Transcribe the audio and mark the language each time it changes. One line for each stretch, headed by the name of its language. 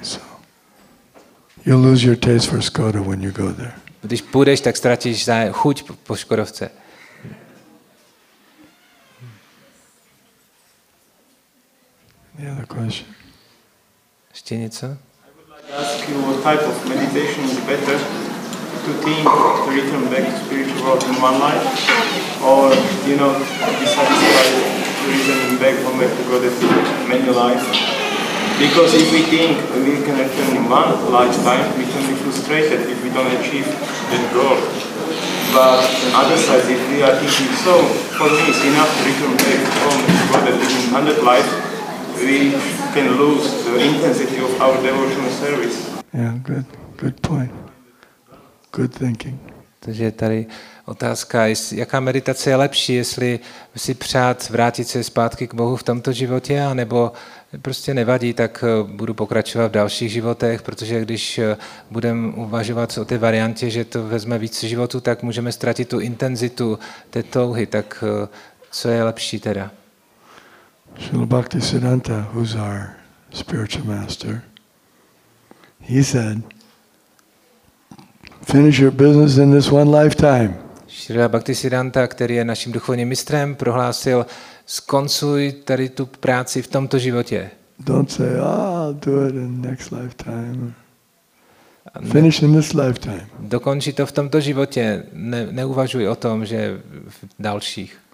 English: So you'll lose your taste for Skoda when you go there.
Czech: Když půjdeš, tak ztratíš chuť po Škodovce.
English: Yeah, the question.
Czech: Ještě něco?
English: I would like to ask you what type of meditation is better to think to return back to spiritual world in one life? Or, you know, be satisfied to return back home to God in many lives. Because if we think we can return in one lifetime, we can be frustrated if we don't achieve that goal. But on the other side, if we are thinking, so for me it's enough to return back home to God in 100 lives, we can lose the intensity of our devotional service. Yeah, good point. Good thinking.
Czech: Takže tady otázka, jaká meditace je lepší, jestli si přát vrátit se zpátky k Bohu v tomto životě, anebo prostě nevadí, tak budu pokračovat v dalších životech, protože když budeme uvažovat o té variantě, že to vezme víc životu, tak můžeme ztratit tu intenzitu té touhy. Tak co je lepší teda?
English: Srila Bhaktisiddhanta, who's our spiritual master, he said, finish your business in this one lifetime.
Czech: Srila Bhaktisiddhanta, který je naším duchovním mistrem, prohlásil, skoncuj tady tu práci v tomto životě.
English: Don't say, oh, I'll do it in next lifetime. Finish in this lifetime.
Czech: Dokonči to v tomto životě, neuvažuj o tom, že v dalších.